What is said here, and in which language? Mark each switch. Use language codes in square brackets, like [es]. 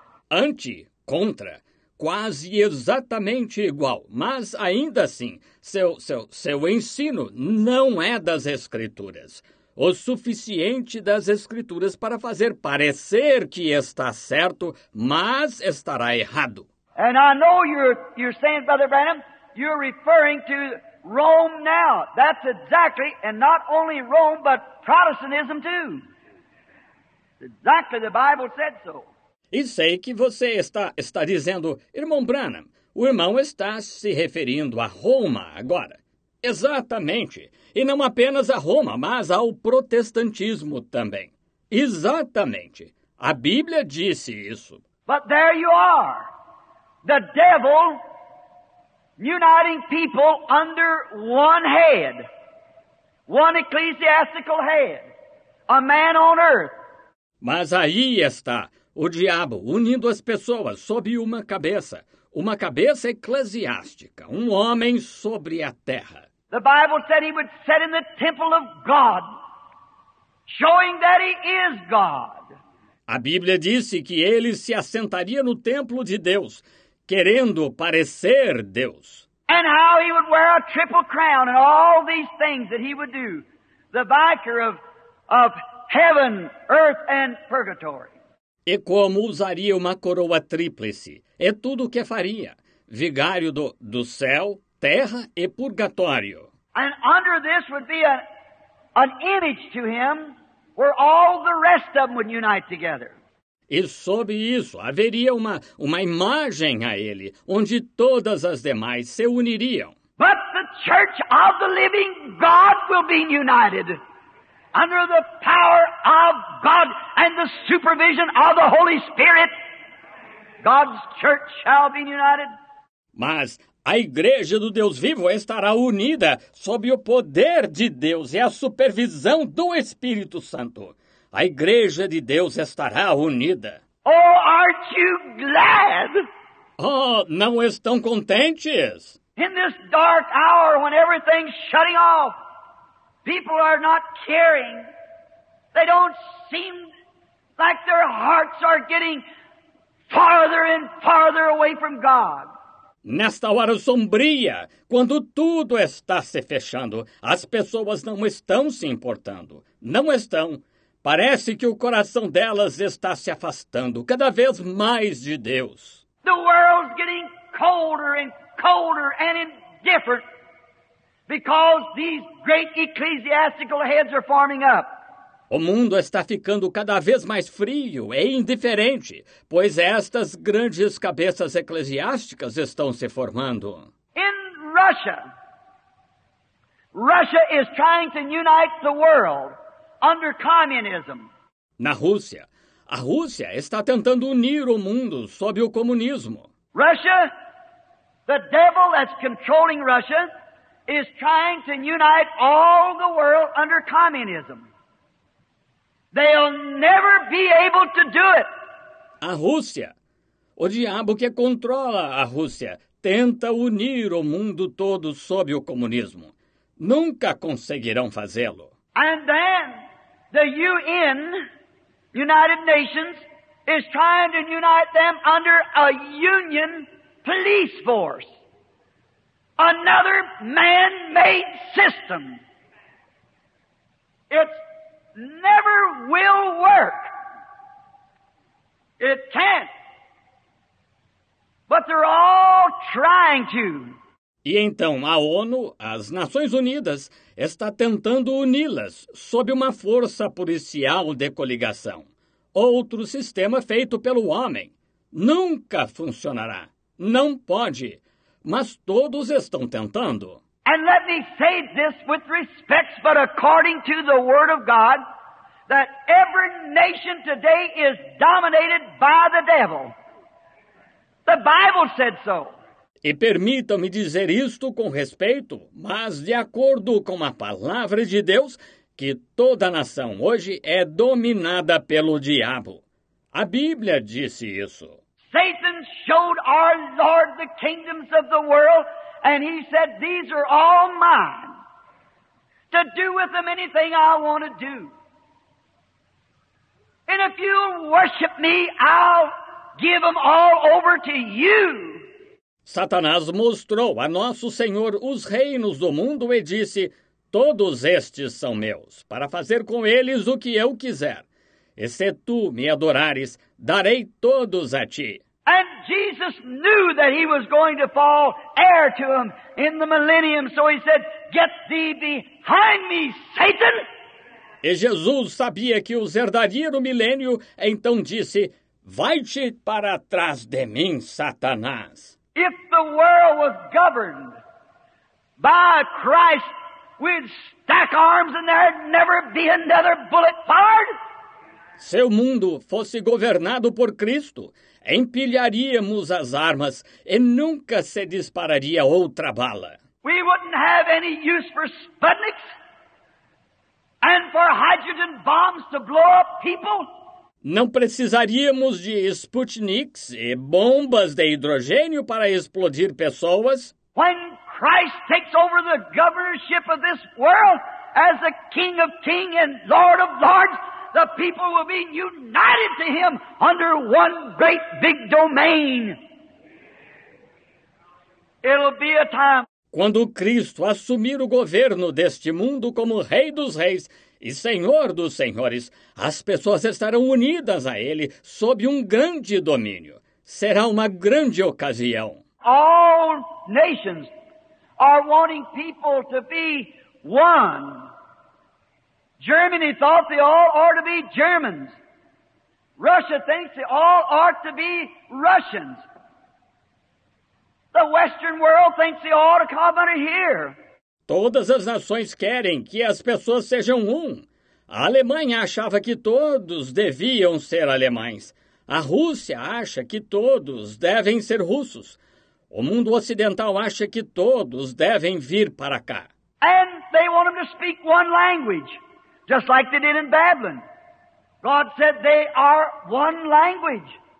[pt] Anti, contra, quase exatamente igual, mas ainda assim, seu ensino não é das Escrituras. O suficiente das Escrituras para fazer parecer que está certo, mas estará errado. [en] And I know you're saying, Brother Branham, you're referring to Rome now. That's exactly, and not only Rome, but Protestantism too. Exactly, the Bible said so. [pt] E sei que você está dizendo, irmão Branham, o irmão está se referindo a Roma agora. Exatamente. E não apenas a Roma, mas ao protestantismo também. Exatamente. A Bíblia disse isso. [en] But there you are. The devil uniting people under one head. One ecclesiastical head. A man on earth. [pt] Mas aí está o diabo unindo as pessoas sob uma cabeça eclesiástica, um homem sobre a terra. [en] The Bible said he would sit in the temple of God, showing that he is God. [pt] A Bíblia disse que ele se assentaria no templo de Deus, querendo parecer Deus. [en] And how he would wear a triple crown and all these things that he would do, the vicar of heaven, earth and purgatory. [pt] E como usaria uma coroa tríplice, e tudo o que faria, vigário do céu, terra e purgatório. [en] And under this would be an image to him where all the rest of them would unite together. [pt] E sob isso haveria uma imagem a ele onde todas as demais se uniriam. [en] But the church of the living God will be united under the power of God and the supervision of the Holy Spirit. God's church shall be united. [pt] Mas a igreja do Deus vivo estará unida sob o poder de Deus e a supervisão do Espírito Santo. A igreja de Deus estará unida. [en] Oh, aren't you glad? [pt] Oh, não estão contentes? [en] In this dark hour when everything's shutting off, people are not caring. They don't seem like their hearts are getting farther and farther away from God. [pt] Nesta hora sombria, quando tudo está se fechando, as pessoas não estão se importando. Não estão. Parece que o coração delas está se afastando cada vez mais de Deus. [en] The world's getting colder and colder and indifferent because these great ecclesiastical heads are forming up. [pt] O mundo está ficando cada vez mais frio e indiferente, pois estas grandes cabeças eclesiásticas estão se formando. [en] In Russia is trying to unite the world under communism. [pt] Na Rússia, a Rússia está tentando unir o mundo sob o comunismo. [en] Russia, the devil that's controlling Russia, is trying to unite all the world under communism. They'll never be able to do it. [pt] A Rússia, o diabo que controla a Rússia, tenta unir o mundo todo sob o comunismo. Nunca conseguirão fazê-lo. [en] And then the UN, United Nations, is trying to unite them under a union police force. Another man-made system. It's never will work. It can't. But they're all trying to. [pt] E então a ONU, as Nações Unidas, está tentando uni-las sob uma força policial de coligação. Outro sistema feito pelo homem. Nunca funcionará. Não pode. Mas todos estão tentando. [en] And let me say this with respect, but according to the word of God, that every nation today is dominated by the devil. The Bible said so. [pt] E permitam-me dizer isto com respeito, mas de acordo com a palavra de Deus, que toda nação hoje é dominada pelo diabo. A Bíblia disse isso. [en] Satan showed our Lord the kingdoms of the world, and he said, these are all mine, to do with them anything I want to do. And if you worship me, I'll give them all over to you. [pt] Satanás mostrou a nosso Senhor os reinos do mundo e disse, todos estes são meus, para fazer com eles o que eu quiser. E se tu me adorares, darei todos a ti. [en] And Jesus knew that he was going to fall heir to him in the millennium, so he said, get thee behind me, Satan! [pt] E Jesus sabia que os herdaria no milênio, então disse, vai-te para trás de mim, Satanás. [en] If the world was governed by Christ, we'd stack arms and there'd never be another bullet fired. [pt] Se o mundo fosse governado por Cristo, empilharíamos as armas e nunca se dispararia outra bala. [en] We wouldn't have any use for Sputniks and for hydrogen bombs to blow up people. [pt] Não precisaríamos de Sputniks e bombas de hidrogênio para explodir pessoas. [en] When Christ takes over the governorship of this world as the King of Kings and Lord of Lords, the people will be united to him under one great big domain. It'll be a time. [pt] Quando Cristo assumir o governo deste mundo como Rei dos Reis e Senhor dos Senhores, as pessoas estarão unidas a ele sob um grande domínio. Será uma grande ocasião. [en] All nations are wanting people to be one. Germany thought they all ought to be Germans. Russia thinks they all ought to be Russians. The Western world thinks they ought to come under here. [pt] Todas as nações querem que as pessoas sejam um. A Alemanha achava que todos deviam ser alemães. A Rússia acha que todos devem ser russos. O mundo ocidental acha que todos devem vir para cá. [en] And they want them to speak one language, just like they did in Babylon. God said they are one language.